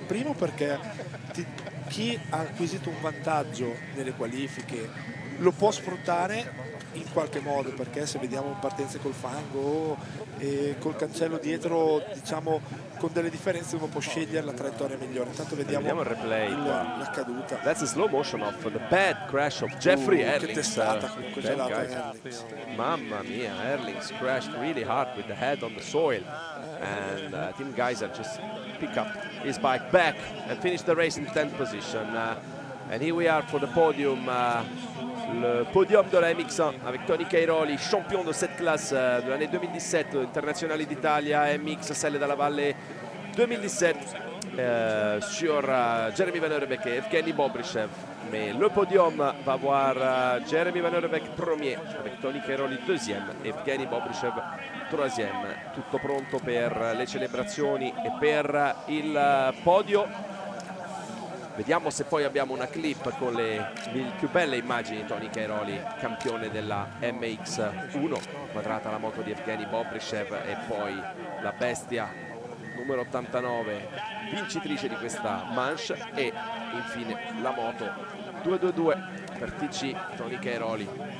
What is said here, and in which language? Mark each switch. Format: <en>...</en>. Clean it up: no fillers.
<it>Primo perché chi ha acquisito un vantaggio nelle qualifiche lo può sfruttare in qualche modo, perché se vediamo partenze col fango o col cancello dietro, diciamo con delle differenze, uno può scegliere la traiettoria migliore. Intanto vediamo il replay, la caduta.</it> <en>That's a slow motion of the bad crash of Jeffrey Herlings.</en> <it>Che testata comunque gelata Herlings.</it> <en>Mamma mia, Herlings crashed really hard with the head on the soil. And Tim Geiser just pick up his bike back and finish the race in 10th position. And here we are for the podium.</en> <fr>Le podium de la MX1 avec Tony Cairoli, champion de cette classe de l'année 2017 internationale d'Italia MX Celle de la Valle 2017 sur Jeremy Van Eurebeck et Evgeny Bobrichev. Mais le podium va voir Jeremy Van Eurebeck premier avec Tony Cairoli deuxième, Evgeny Bobrichev troisième.</fr> <it>Tutto pronto per le celebrazioni e per il podio. Vediamo se poi abbiamo una clip con le più belle immagini di Tony Cairoli, campione della MX1, quadrata la moto di Evgeny Bobrichev e poi la bestia numero 89, vincitrice di questa manche, e infine la moto 222 per TC Tony Cairoli.</it>